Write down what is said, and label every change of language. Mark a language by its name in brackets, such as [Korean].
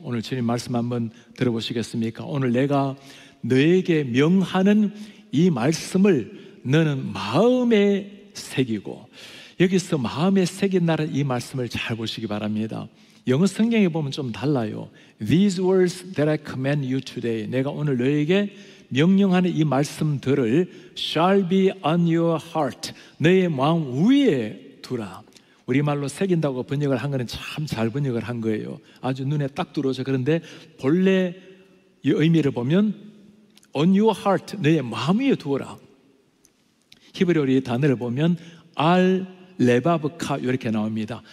[Korean] 오늘 주님 말씀 한번 들어보시겠습니까? 오늘 내가 너에게 명하는 이 말씀을 너는 마음에 새기고, 여기서 마음에 새긴다는 이 말씀을 잘 보시기 바랍니다. 영어 성경에 보면 좀 달라요. [English] These words that I command you today, [Korean] 내가 오늘 너에게 명령하는 이 말씀들을 [English] shall be on your heart, [Korean] 너의 마음 위에 두라. 우리말로 새긴다고 번역을 한 거는 참 잘 번역을 한 거예요. 아주 눈에 딱 들어오죠. 그런데 본래 이 의미를 보면 [English] on your heart, [Korean] 너의 마음 위에 두어라. 히브리어로 이 단어를 보면 알 레바브카 이렇게 나옵니다.